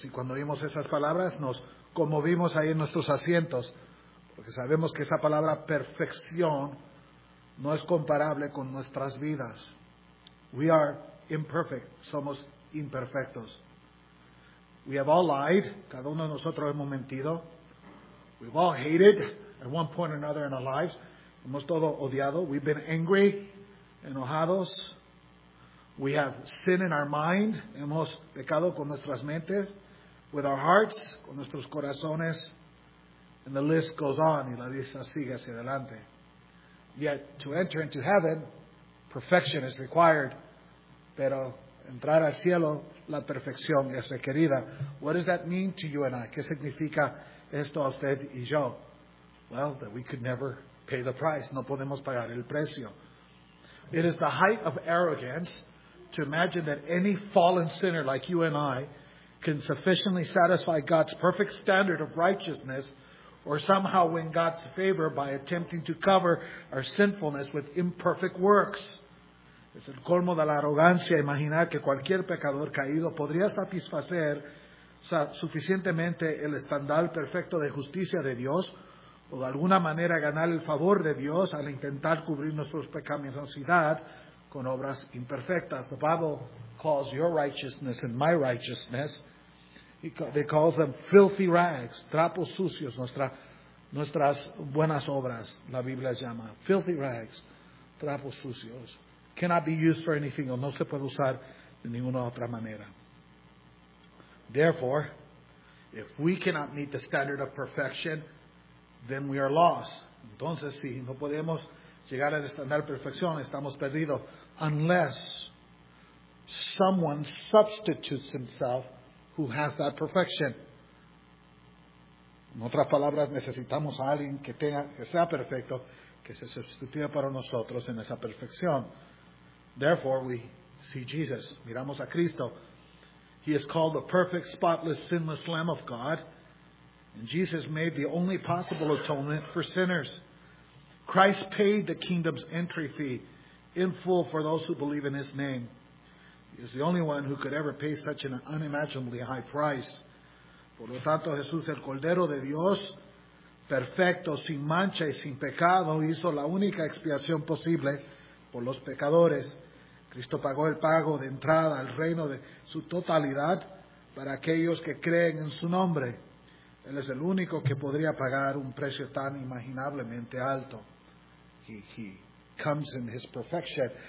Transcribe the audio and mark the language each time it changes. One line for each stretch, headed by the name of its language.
Spanish: Y cuando vimos esas palabras, nos conmovimos ahí en nuestros asientos, porque sabemos que esa palabra perfección no es comparable con nuestras vidas.
English: We are imperfect.
Spanish: Somos imperfectos.
English: We have all lied.
Spanish: Cada uno de nosotros hemos mentido.
English: We've all hated at one point or another in our lives.
Spanish: Hemos todo odiado.
English: We've been angry,
Spanish: enojados.
English: We have sin in our mind.
Spanish: Hemos pecado con nuestras mentes.
English: With our hearts,
Spanish: con nuestros corazones.
English: And the list goes on.
Spanish: Y la lista sigue hacia adelante.
English: Yet, to enter into heaven, perfection is required.
Spanish: Pero entrar al cielo, la perfección es requerida.
English: What does that mean to you and I?
Spanish: ¿Qué significa esto a usted y yo?
English: Well, that we could never pay the price.
Spanish: No podemos pagar el precio.
English: It is the height of arrogance to imagine that any fallen sinner like you and I can sufficiently satisfy God's perfect standard of righteousness or somehow win God's favor by attempting to cover our sinfulness with imperfect works.
Spanish: Es el colmo de la arrogancia imaginar que cualquier pecador caído podría satisfacer suficientemente el estándar perfecto de justicia de Dios o de alguna manera ganar el favor de Dios al intentar cubrir nuestra pecaminosidad con obras imperfectas.
English: The Bible calls your righteousness and my righteousness, they call them filthy rags,
Spanish: trapos sucios, nuestras buenas obras, la Biblia llama.
English: Filthy rags,
Spanish: trapos sucios.
English: Cannot be used for anything,
Spanish: o no se puede usar de ninguna otra manera.
English: Therefore, if we cannot meet the standard of perfection, then we are lost.
Spanish: Entonces, si no podemos llegar al estándar de perfección, estamos perdidos.
English: Unless someone substitutes himself who has that perfection.
Spanish: En otras palabras, necesitamos a alguien que sea perfecto, que se sustituya para nosotros en esa perfección.
English: Therefore, we see Jesus.
Spanish: Miramos a Cristo.
English: He is called the perfect, spotless, sinless Lamb of God. And Jesus made the only possible atonement for sinners. Christ paid the kingdom's entry fee in full for those who believe in his name. He is the only one who could ever pay such an unimaginably high price.
Spanish: Por lo tanto, Jesús, el Cordero de Dios, perfecto, sin mancha y sin pecado, hizo la única expiación posible por los pecadores. Cristo pagó el pago de entrada al reino de su totalidad para aquellos que creen en su nombre. Él es el único que podría pagar un precio tan imaginablemente alto.
English: He comes in his perfection.